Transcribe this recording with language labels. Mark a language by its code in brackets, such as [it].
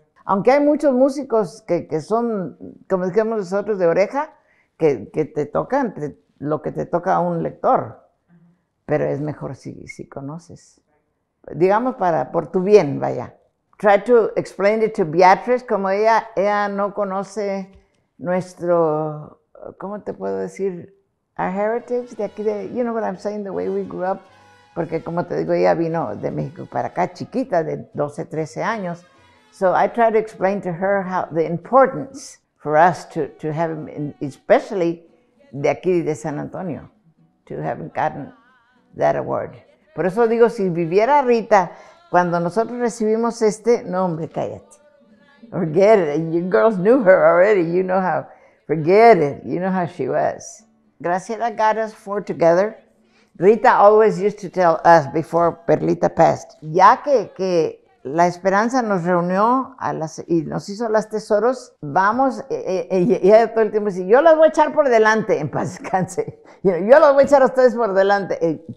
[es] Aunque hay muchos músicos que son, como decíamos nosotros, de oreja, que te tocan lo que te toca a un lector, pero es mejor si conoces. Digamos, por tu bien, vaya. [en] Try to explain it to Beatriz, [es] como ella no conoce nuestro, ¿cómo te puedo decir? [en] Our heritage, [es] de aquí, [en] you know what I'm saying, the way we grew up. [es] Porque como te digo, ella vino de México para acá, chiquita, de 12, 13 años. [en] So I try to explain to her how the importance for us to have him, especially [es] de aquí de San Antonio, [en] to have gotten that award. [es] Por eso digo, si viviera Rita, cuando nosotros recibimos este, no hombre, cállate. [en] Forget it, you girls knew her already, you know how, forget it, you know how she was. Graciela got us four together. Rita always used to tell us before Perlita passed, [es] ya que la Esperanza nos reunió y nos hizo las tesoros, vamos, y todo el tiempo dice, yo las voy a echar por delante, en paz descanse, [en] you know, [es] yo las voy a echar a ustedes por delante.